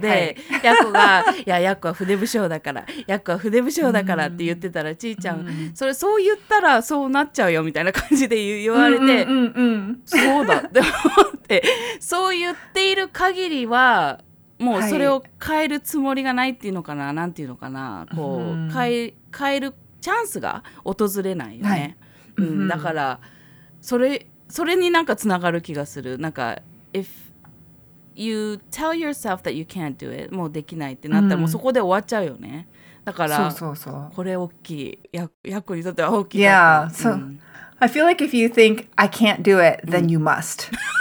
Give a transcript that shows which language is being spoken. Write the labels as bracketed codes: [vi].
[ja] で、やっこが、いや、やっこは筆不精だから、やっこは筆不精だからって言ってたら、ちーちゃん、それそう言ったらそうなっちゃうよみたいな感じで言われて、そうだって思って、そう言っている限りは、もうそれを変えるつもりがないっていうのかな、なんていうのかな、こう、変えるチャンスが訪れないよね。だから、それになんかつながる気がする。なんか、 [en] You tell yourself that you can't do it. [ja] もうできないってなったら、もうそこで終わっちゃうよね。だから、そうそうそう。これ大きい。やっこにとっては大きい。 [en] Yeah. So, I feel like if you think I can't do it, then you must.